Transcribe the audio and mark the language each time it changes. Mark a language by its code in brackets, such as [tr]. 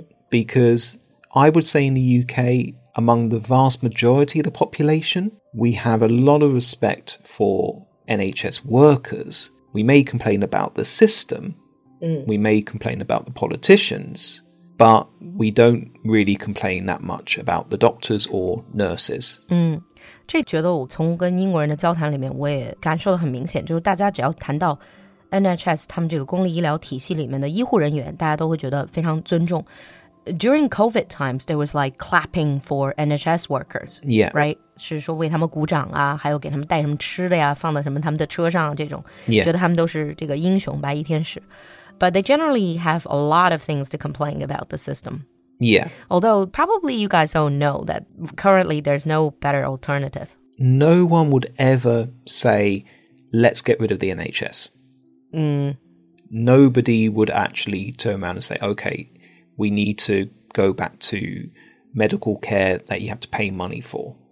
[en] Because I would say in the UK, among the vast majority of the population, we have a lot of respect for NHS workers. We may complain about the system. We may complain about the politicians. But we don't really complain that much about the doctors or nurses. [zh] 这觉得我从跟英国人的交谈里面我也感受得很明显，就是大家只要谈到 NHS 他们这个公立医疗体系里面的医护人员，大家都会觉得非常尊重。 [en] During COVID times, there was like clapping for NHS workers, yeah, right? [zh] 是说为他们鼓掌啊，还有给他们带什么吃的呀，放在什么他们的车上这种， [en] yeah. [zh] 觉得他们都是这个英雄白衣天使。 [en] But they generally have a lot of things to complain about the system. Yeah. Although probably you guys all know that currently there's no better alternative. No one would ever say, let's get rid of the NHS. Nobody would actually turn around and say, okay, we need to go back to medical care that you have to pay money for.